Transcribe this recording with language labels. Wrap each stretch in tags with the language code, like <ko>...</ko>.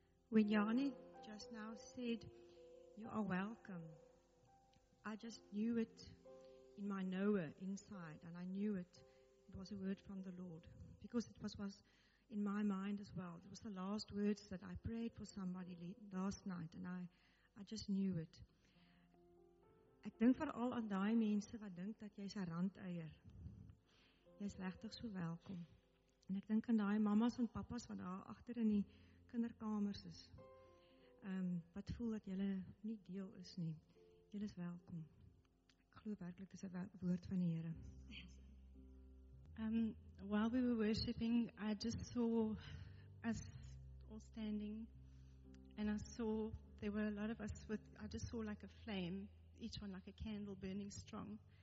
<en>When Yanni just now said, "You are welcome," I just knew it in my knower inside, and I knew it was a word from the Lord, because it was in my mind as well. It was the last words that I prayed for somebody last night, and I just knew it.</en> <af>Ek dink veral aan daai mense wat dink dat jy 'n randeier. Jy's regtig so welkom. En ek dink aan daai mamas en papas wat daar agter in die kinderkamers is. Wat voel dat julle nie deel is nie. Julle is welkom. Ek glo werklik dis 'n woord van die Here.</af> <en>While we were worshiping, I just saw us all standing, and I saw there were a lot of us with, I just saw like a flame, each one like a candle burning strong.</en>